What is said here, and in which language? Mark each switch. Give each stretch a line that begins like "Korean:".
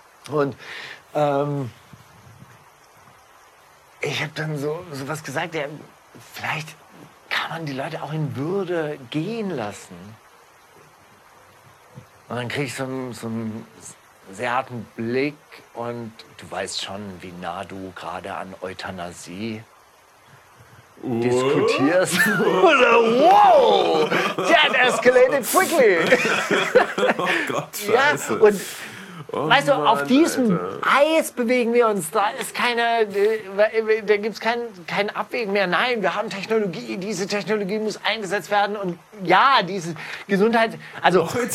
German: Und ich habe dann so was gesagt, ja, vielleicht kann man die Leute auch in Würde gehen lassen. Und dann kriege ich so einen sehr harten Blick und du weißt schon, wie nah du gerade an Euthanasie diskutierst. Wow!
English: That escalated quickly!
German: Oh Gott, scheiße. Ja, und oh weißt Mann, du, auf diesem Alter. Eis bewegen wir uns, da ist keine, da gibt es kein Abwägen mehr. Nein, wir haben Technologie, diese Technologie muss eingesetzt werden und ja, diese Gesundheit, also...